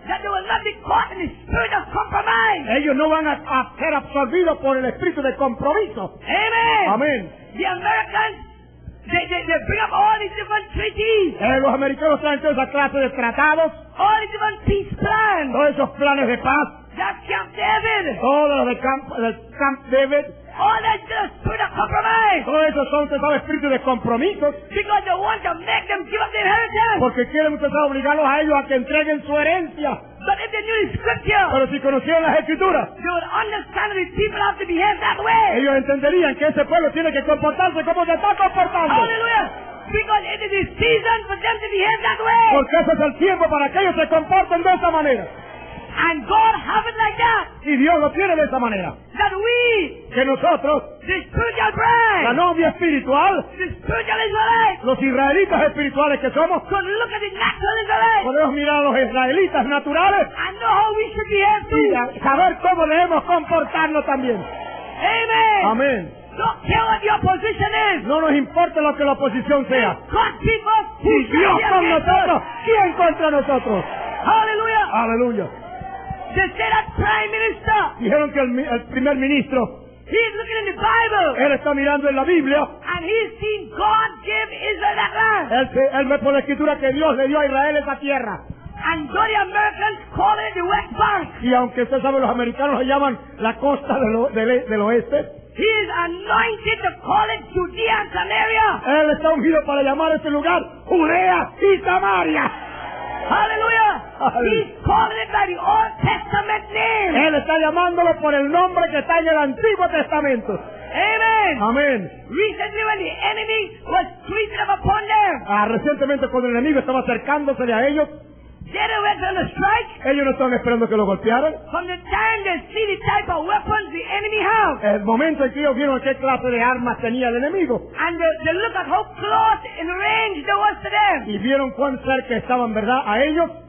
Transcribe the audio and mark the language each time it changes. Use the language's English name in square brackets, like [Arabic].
[English] That they will not be caught in the spirit of compromise. [Spanish] Ellos no van a ser absorbidos por el espíritu de compromiso. Amen. Amen. [English] The Americans. They bring up all these different treaties. [Spanish] Los americanos traen toda esa clase de tratados. [English] All these different peace plans. [Spanish] Todos esos planes de paz. [English] That's Camp David. [Spanish] Todo lo de Camp David. [English] All that's just a spirit of compromise. [Spanish] Todos esos son todos espíritus de compromisos. [English] Because they want to make them give up their inheritance. [Spanish] Porque quieren empezar a obligarlos a ellos a que entreguen su herencia. [English] But if they knew the scripture. [Spanish] Pero si conocieron las escrituras. [English] They would understand that these people have to behave that way. [Spanish] Ellos entenderían que ese pueblo tiene que comportarse como se está comportando. Hallelujah. [English] Because it is the season for them to behave that way. [Spanish] Porque ese es el tiempo para que ellos se comporten de esa manera. [English] And God have it like that. [Spanish] Y Dios lo tiene de esa manera. [English] That we. [Spanish] Que nosotros. [English] The spiritual bride. [Spanish] La novia espiritual. [English] The spiritual Israelites. [Spanish] Los israelitas espirituales que somos. [English] Could look at the natural Israelites. [Spanish] Podemos mirar a los israelitas naturales. [English] And know how we should behave too. [Spanish] Y saber cómo debemos comportarnos también. Amen. Amen. [English] Don't care what your position is. [Spanish] No nos importa lo que la oposición sea. [English] God keep us. [Spanish] Si Dios con nosotros. ¿Quién contra nosotros? Hallelujah. Hallelujah. [English] They said that prime minister. [Spanish] Dijeron que el primer ministro. [English] He's looking in the Bible. [Spanish] Él está mirando en la Biblia. [English] And he's seen God give Israel that land. [Spanish] Él ve por la escritura que Dios le dio a Israel esa tierra. [English] And though the Americans call it the West Bank. [Spanish] Y aunque usted sabe los americanos lo llaman la costa del oeste. [English] He is anointed to call it Judea and Samaria. [Spanish] Él está ungido para llamar ese lugar Judea y Samaria. Hallelujah. [English] He's calling it by the Old Testament name. [Spanish] Él está llamándolo por el nombre que está en el Antiguo Testamento. Amen. Amen. [English] Recently when the enemy was creeping up upon them. [Spanish] Recientemente cuando el enemigo estaba acercándose a ellos. [English] They were going to strike. [Spanish] Ellos no estaban esperando que lo golpearan. [English] From the time they see the type of weapons the enemy has. [Spanish] El momento en que ellos vieron qué clase de armas tenía el enemigo. [English] And they look at how close in range they were to them. [Spanish] Y vieron cuán cerca estaban, ¿verdad?, a ellos.